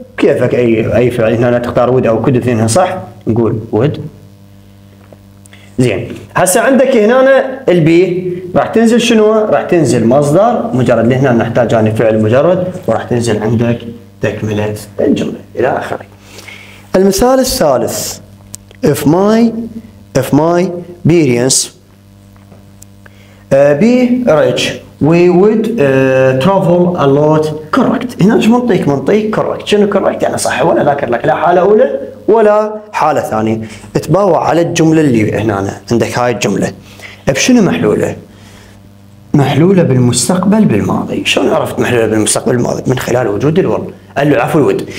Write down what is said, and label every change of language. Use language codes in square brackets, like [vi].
[ar] كيفك اي فعل هنا تختار ود او كود اثنين صح نقول ود. زين هسه عندك هنا البي راح تنزل شنو؟ راح تنزل مصدر مجرد لهنا نحتاج اني فعل مجرد وراح تنزل عندك تكمله الجمله الى اخره. المثال الثالث [en] If my parents be rich, we would travel a lot. Correct. [ar] هنا شو منطيك؟ منطيك correct. شنو correct؟ أنا صح ولا ذاكر لك لا حالة أولى ولا حالة ثانية. اتباوع على الجملة اللي هنا أنا. عندك هاي الجملة. بشنو محلولة؟ محلولة بالمستقبل بالماضي. شلون عرفت محلولة بالمستقبل بالماضي؟ من خلال وجود الـ were. قال له عفوا would.